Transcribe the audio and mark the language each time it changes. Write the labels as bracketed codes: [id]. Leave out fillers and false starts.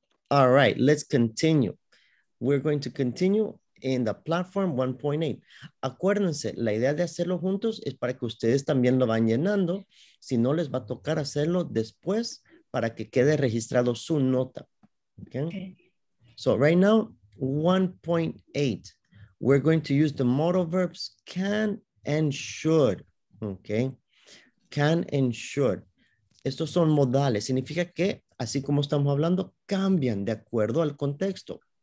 [en] All right, let's continue. We're going to continue in the platform 1.8. [es] Acuérdense, la idea de hacerlo juntos es para que ustedes también lo van llenando. Si no, les va a tocar hacerlo después para que quede registrado su nota. [en] Okay. So right now, 1.8. We're going to use the modal verbs can and should. Okay. Can and should. [es] Estos son modales. Significa que, así como estamos hablando, cambian de acuerdo al contexto.